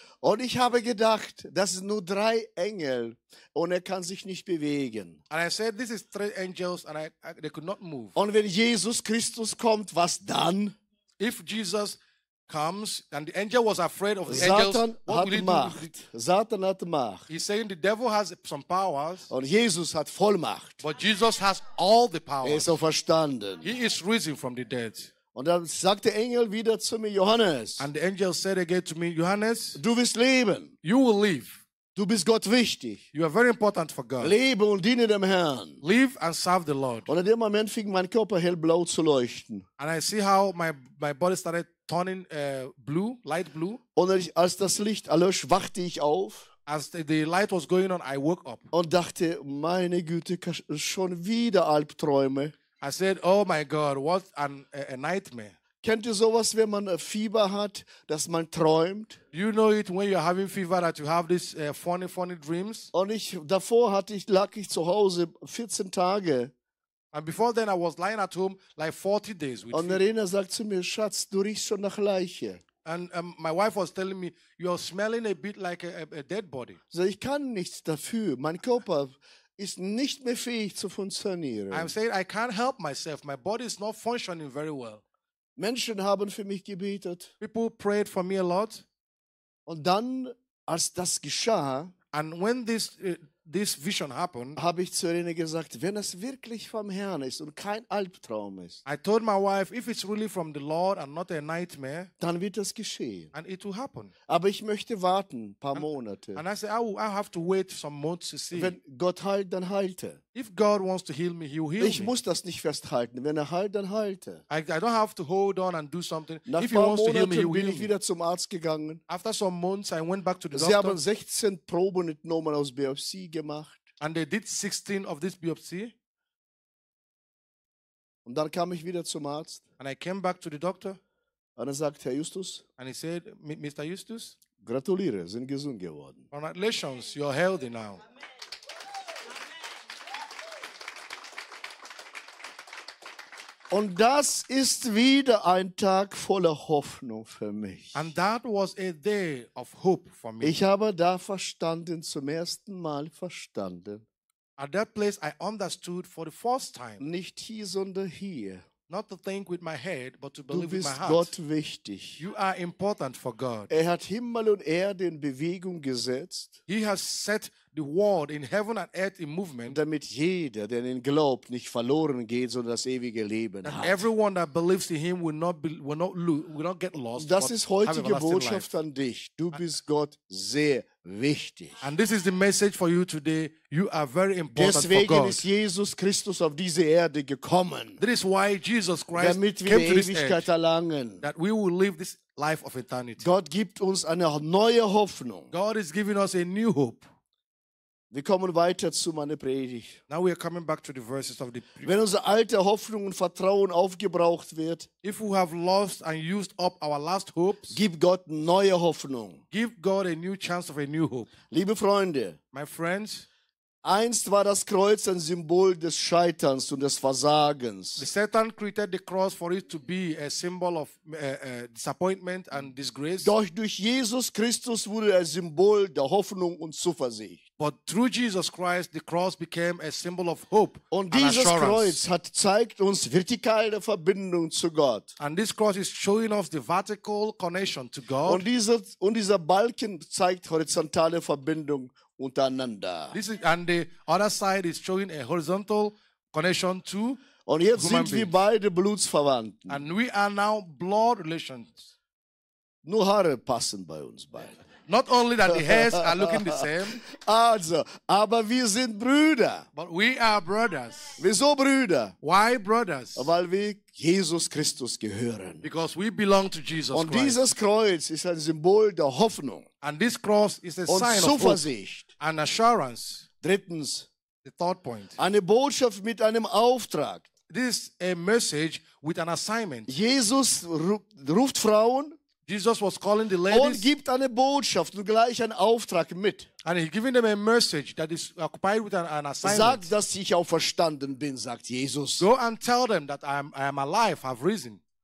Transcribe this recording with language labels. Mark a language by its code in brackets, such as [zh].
[de] Und ich habe gedacht, das sind nur drei Engel und er kann sich nicht bewegen. [en] And I said, this is three angels and they could not move. [de] Und wenn Jesus Christus kommt, was dann? [en] If Jesus comes and the angel was afraid of the [de] Satan [en] angels. [de] Hat Macht. Satan hat Macht. [en] He's saying the devil has some powers. [de] Und Jesus hat Vollmacht. [en] But Jesus has all the powers. [de] Er ist so verstanden. [en] He is risen from the dead. [de] Und dann sagt der Engel wieder zu mir, Johannes. [en] And the angel said again to me, Johannes. [de] Du wirst leben. [en] You will live. [de] Du bist Gott wichtig. [en] You are very important for God. [de] Lebe und diene dem Herrn. [en] Live and serve the Lord. [de] Und in dem Moment fing mein Körper hellblau zu leuchten. [en] And I see how my body started turning blue, light blue. [de] Und als das Licht erlosch, wachte ich auf. [en] As the light was going on, I woke up. [de] Und dachte, meine Güte, schon wieder Albträume. [en] I said, oh my God, what a nightmare. [de] Kennt ihr sowas, wenn man Fieber hat, dass man träumt? [en] You know it when you're having fever that you have these funny dreams? [de] Und ich, davor hatte ich, lag ich zu Hause 14 Tage. [en] And before then I was lying at home like 40 days with [de] Und Rena sagt zu mir, Schatz, du riechst schon nach Leiche. [en] And my wife was telling me, you're smelling a bit like a dead body. [de] So ich kann nichts dafür. Mein Körper ist nicht mehr fähig zu funktionieren. [en] I'm saying I can't help myself. My body is not functioning very well. [de] Menschen haben für mich gebetet. [en] People prayed for me a lot. [de] Und dann, als das geschah, [en] and when this vision happened, [de] habe ich zu Irene gesagt, wenn es wirklich vom Herrn ist und kein Albtraum ist, [en] I told my wife, if it's really from the Lord and not a nightmare, [de] dann wird das geschehen. [en] And it will happen. [de] Aber ich möchte warten ein paar Monate. [en] And I said, I have to wait some months to see. [de] Wenn Gott heilt, dann heilte. [en] If God wants to heal me, he will heal [de] ich [en] me. [de] Muss das nicht festhalten. Wenn er heilt, dann heilte. [en] I don't have to hold on and do something. [de] Nach [en] if he wants [de] Monaten [en] to heal me, he will [de] bin [en] heal [de] ich wieder zum Arzt gegangen. [en] After some months, I went back to the [de] Sie [en] doctor. [de] Haben 16 Proben entnommen aus Biopsie gemacht. [en] And they did 16 of this biopsie. [de] Und dann kam ich wieder zum Arzt. [en] And I came back to the doctor. [de] Und er sagt, Herr Justus. [en] And he said, Mr. Justus. [de] Gratuliere, sind gesund geworden. [en] Congratulations, you're healthy now. [de] Und das ist wieder ein Tag voller Hoffnung für mich. [en] And that was a day of hope for me. [de] Ich habe da verstanden, zum ersten Mal verstanden. [en] At that place I understood for the first time. [de] Nicht hier, sondern hier. [en] Not to think with my head, but to believe with my heart. [de] Du bist Gott wichtig. [en] You are important for God. [de] Er hat Himmel und Erde in Bewegung gesetzt. [en] He has set the world in heaven and earth in movement. [de] Damit jeder, der ihn glaubt, nicht verloren geht, sondern das ewige Leben hat. [en] Everyone that believes in him will not get lost. [de] Das ist heutige Botschaft an dich. Du bist Gott sehr wichtig. [en] And this is the message for you today. You are very important [de] Deswegen [en] for God. [de] Deswegen ist Jesus Christus auf diese Erde gekommen. [en] That is why Jesus Christ [de] damit wir [en] came to [de] Ewigkeit [en] this [de] erlangen. [en] That we will live this life of eternity. [de] Gott gibt uns eine neue Hoffnung. [en] God is giving us a new hope. [de] Wir kommen weiter zu meiner Predigt. [en] Now we are coming back to the verses of the [de] Wenn unsere alte Hoffnung und Vertrauen aufgebraucht wird, [en] if we have lost and used up our last hopes, [de] gib Gott neue Hoffnung. [en] Give God a new chance of a new hope. [de] Liebe Freunde, [en] my friends, [de] einst war das Kreuz ein Symbol des Scheiterns und des Versagens. [en] The Satan created the cross for it to be a symbol of disappointment and disgrace. [de] Doch durch Jesus Christus wurde er Symbol der Hoffnung und Zuversicht. [en] But through Jesus Christ, the cross became a symbol of hope [de] und dieses [en] and assurance. [de] Kreuz hat zeigt uns vertikale Verbindung zu Gott. [en] And this cross is showing us the vertical connection to God. [de] Und dieser Balken zeigt horizontale Verbindung untereinander. [en] This is, and the other side is showing a horizontal connection too. [de] Und jetzt sind wir beide Blutsverwandten. [en] And we are now blood relations. [de] Nur Haare passen bei uns beiden. [en] Not only that the hairs are looking the same. [de] Also, aber wir sind Brüder. [en] But we are brothers. [de] Wieso Brüder? [en] Why brothers? [de] Weil wir Jesus Christus gehören. [en] Because we belong to Jesus [de] Christ. Und dieses Kreuz ist ein Symbol der Hoffnung. [en] And this cross is a [de] und [en] sign [de] Zuversicht. [en] Of hope and assurance. [de] Drittens, [en] the third point. [de] Eine Botschaft mit einem Auftrag. [en] This is a message with an assignment. [de] Jesus ruft Frauen. [en] Jesus was calling the ladies. [de] Und gibt eine Botschaft und gleich einen Auftrag mit. [en] And he giving them a message that is occupied with an assignment. [de] Sagt, dass ich auferstanden bin, sagt Jesus. [en] Go and tell them that I am alive, I've risen.